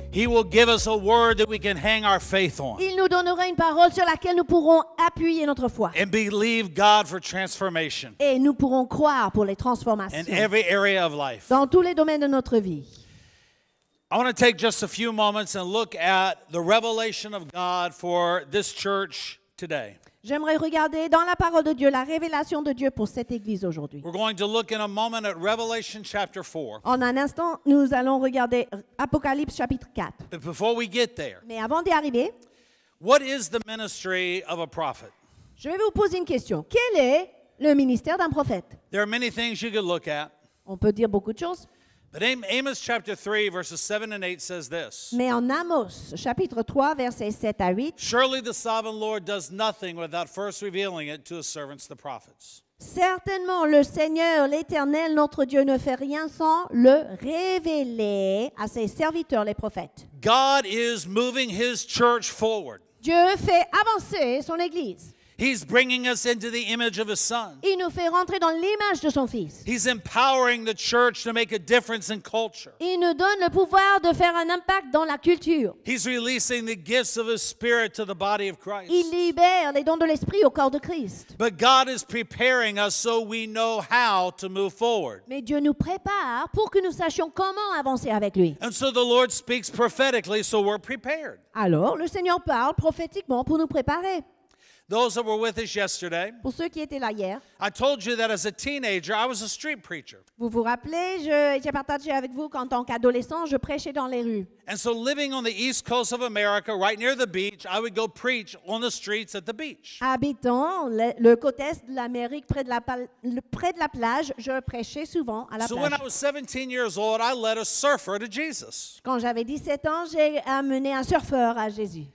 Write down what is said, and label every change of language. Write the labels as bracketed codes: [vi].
[en] he will give us a word that we can hang our faith on. [fr] Il nous donnera une parole sur laquelle nous pourrons appuyer notre foi. [en] And believe God for transformation. [fr] Et nous pourrons croire pour les transformations. [en] In every area of life. [fr] Dans tous les domaines de notre vie. [en] I want to take just a few moments and look at the revelation of God for this church today. [fr] J'aimerais regarder dans la parole de Dieu la révélation de Dieu pour cette église aujourd'hui. [en] We're going to look in a moment at Revelation chapter 4. [fr] En un instant, nous allons regarder Apocalypse chapitre 4. [en] But before we get there, [fr] mais avant d'y arriver, [en] what is the ministry of a prophet? [fr] Je vais vous poser une question. Quel est le ministère d'un prophète? [en] There are many things you could look at. [fr] On peut dire beaucoup de choses. [en] But Amos chapter 3, verses 7 and 8 says this. [fr] Mais en Amos, chapitre 3, versets 7 à 8. [en] Surely the sovereign Lord does nothing without first revealing it to his servants, the prophets. [fr] Certainement, le Seigneur, l'Éternel, notre Dieu, ne fait rien sans le révéler à ses serviteurs, les prophètes. [en] God is moving his church forward. [fr] Dieu fait avancer son église. [en] He's bringing us into the image of his son. [fr] Il nous fait rentrer dans l'image de son fils. [en] He's empowering the church to make a difference in culture. [fr] Il nous donne le pouvoir de faire un impact dans la culture. [en] He's releasing the gifts of his spirit to the body of Christ. [fr] Il libère les dons de l'esprit au corps de Christ. [en] But God is preparing us so we know how to move forward. [fr] Mais Dieu nous prépare pour que nous sachions comment avancer avec lui. [en] And so the Lord speaks prophetically so we're prepared. [fr] Alors le Seigneur parle prophétiquement pour nous préparer. [en] Those that were with us yesterday, [fr] pour ceux qui étaient là hier, [en] I told you that as a teenager, I was a street preacher. [fr] Vous vous rappelez, j'ai partagé avec vous qu'en tant qu'adolescent, je prêchais dans les rues. [en] And so living on the east coast of America, right near the beach, I would go preach on the streets at the beach. [fr] Habitant le côté est de l'Amérique, près de la plage, je prêchais souvent à la plage. [en] So when I was 17 years old, I led a surfer to Jesus. [fr] Quand j'avais 17 ans, j'ai amené un surfeur à Jésus.